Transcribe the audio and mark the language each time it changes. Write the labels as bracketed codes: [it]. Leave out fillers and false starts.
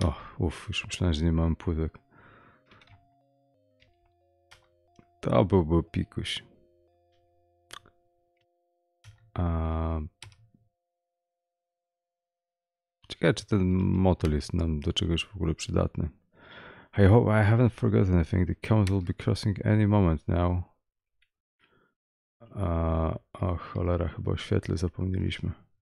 [pl] Och, uff, już myślałem, że nie mamy płytek. To byłby pikuś. Czekaj, czy ten motyl jest nam do czegoś w ogóle przydatny. [en] I hope I haven't forgotten anything. The comet will be crossing any moment now. [pl] O cholera, chyba o świetle zapomnieliśmy.